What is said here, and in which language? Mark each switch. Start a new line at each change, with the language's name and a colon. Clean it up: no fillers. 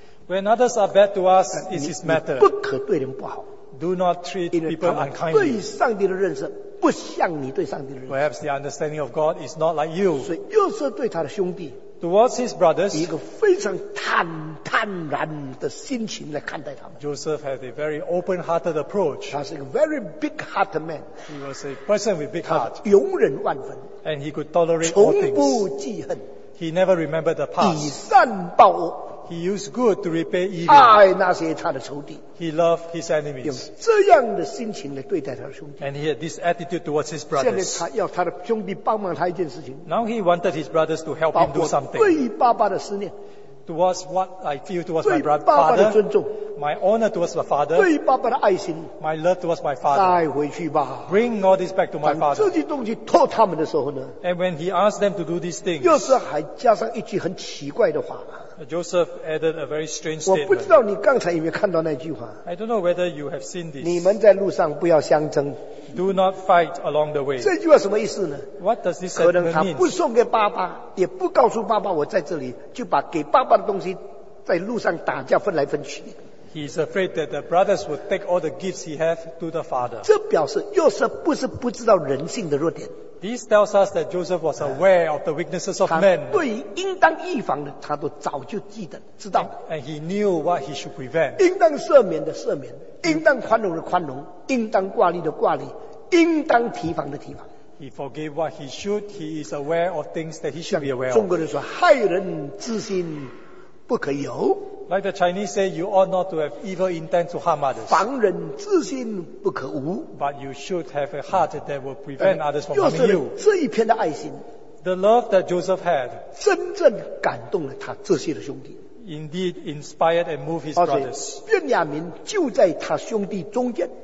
English: When others are bad to us, it's his matter.
Chinese: 你不可对人不好。
English: Do not treat people unkindly.
Chinese: 对上帝的认识不像你对上帝的认识。
English: Perhaps the understanding of God is not like you.
Chinese: 所以又是对他的兄弟。
English: Towards his brothers,
Chinese: 一个非常坦然的心情来看待他们。
English: Joseph had a very open-hearted approach.
Chinese: 他是一个
English: very big-hearted man. He was a person with big heart.
Chinese: 他容忍万分。
English: And he could tolerate all things.
Chinese: 从不记恨。
English: He never remembered the past.
Chinese: 以善报恶。
English: He used good to repay evil.
Chinese: 爱那些他的仇敌。
English: He loved his enemies.
Chinese: 用这样的心情来对待他的兄弟。
English: And he had this attitude towards his brothers.
Chinese: 现在他要他的兄弟帮忙他一件事情。
English: Now he wanted his brothers to help him do something.
Chinese: 包括对爸爸的思念。
English: Towards what I feel towards my brother.
Chinese: 对爸爸的尊重。
English: My honor towards my father.
Chinese: 对爸爸的爱心。
English: My love towards my father.
Chinese: 带回去吧。
English: Bring all this back to my father.
Chinese: 当这些东西托他们的时候呢？
English: And when he asked them to do these things.
Chinese: 又是还加上一句很奇怪的话。
English: Joseph added a very strange statement.
Chinese: 我不知道你刚才有没有看到那句话。
English: I don't know whether you have seen this.
Chinese: 你们在路上不要相争。
English: Do not fight along the way.
Chinese: 这句话什么意思呢？
English: What does this statement mean?
Chinese: 可能他不送给爸爸，也不告诉爸爸我在这里，就把给爸爸的东西在路上打架分来分去。
English: He is afraid that the brothers would take all the gifts he have to the father.
Chinese: 这表示约瑟不是不知道人性的弱点。
English: This tells us that Joseph was aware of the weaknesses of men.
Chinese: 他对应当预防的，他都早就记得知道。
English: And he knew what he should prevent.
Chinese: 应当赦免的赦免，应当宽容的宽容，应当挂虑的挂虑，应当提防的提防。
English: He forgave what he should. He is aware of things that he should be aware of.
Chinese: 中国人说, 害人之心, 不可有,
English: like the Chinese say, you ought not to have evil intent to harm others.
Chinese: 防人之心, 不可无,
English: but you should have a heart that will prevent others from harming you.
Chinese: 这一片的爱心,
English: the love that Joseph had
Chinese: 真正感动了他这些的兄弟,
English: indeed inspired and moved his brothers.
Chinese: 而且便雅悯就在他兄弟中间,